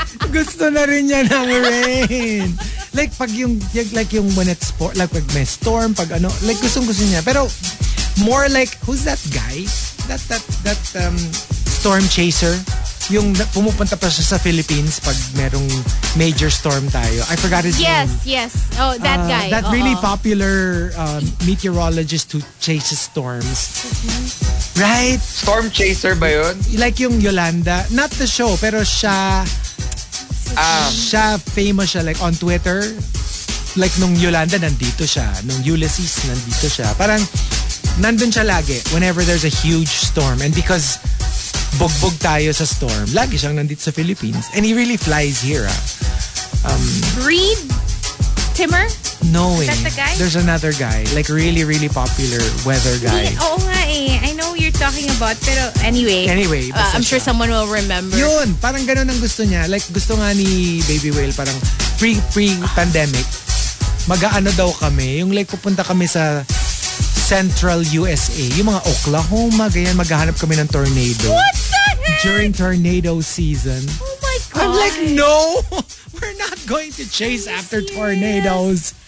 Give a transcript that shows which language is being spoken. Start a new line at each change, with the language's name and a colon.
Filipino: Gusto na rin niya ng rain. Like pag yung like yung when it's sport, like pag may storm, pag ano, like gusto niya.
English: Pero more like who's that guy?
Filipino: That storm chaser, yung pumupunta pa siya sa Philippines pag merong major storm tayo.
English: I forgot his name. Yes, yes. Oh, that guy. That really popular meteorologist who chases storms. Mm-hmm. Right?
Filipino: Storm chaser ba yun?
English: Like yung Yolanda. Not the show, pero siya... siya famous siya like on Twitter.
Filipino: Like nung Yolanda, nandito siya. Nung Ulysses, nandito siya.
English: Parang nandun siya lagi whenever there's a huge storm. And because...
Filipino: Bugbog tayo sa storm. Lagi siyang nandito sa Philippines.
English: And he really flies here. Reed? Timmer? No way. Is that the guy? There's another guy. Like really, really popular weather guy. Oh, hey. I know what you're talking about. Pero anyway. I'm sure someone will remember.
Filipino: Yun. Parang ganun ang gusto niya. Like gusto nga ni Baby Whale parang pre-pandemic. Mag-aano daw kami. Yung like pupunta kami sa... Central USA. Yung mga Oklahoma, ganyan, maghahanap kami ng tornado.
English: What the heck? During tornado season. Oh my God. I'm like, no! We're not going to chase after tornadoes.